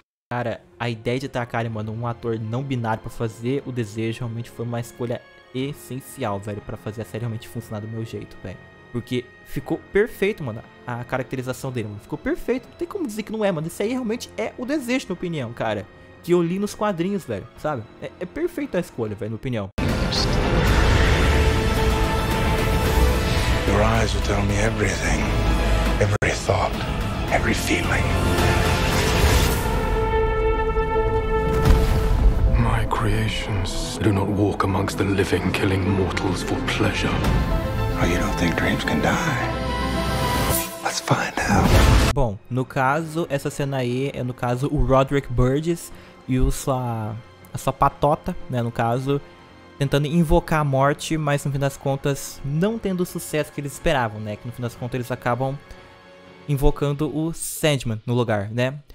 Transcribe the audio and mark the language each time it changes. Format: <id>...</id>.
<pt>Cara, a ideia de tacar, mano, um ator não binário pra fazer o desejo realmente foi uma escolha essencial, velho, pra fazer a série realmente funcionar do meu jeito, velho. Porque ficou perfeito, mano, a caracterização dele, mano. Ficou perfeito, não tem como dizer que não é, mano. Isso aí realmente é o desejo, na minha opinião, cara. Que eu li nos quadrinhos, velho, sabe? É perfeito a escolha, velho, na minha opinião.</pt> <en>Your eyes will tell me everything. Every thought, every feeling. My creations do not walk amongst the living, killing mortals for pleasure. Oh, you don't think dreams can die? Let's find out.</en> <pt>Bom, no caso, essa cena aí é no caso o Roderick Burgess e o a sua patota, né, no caso, tentando invocar a morte, mas no fim das contas não tendo o sucesso que eles esperavam, né, que no fim das contas eles acabam invocando o Sandman no lugar, né?</pt>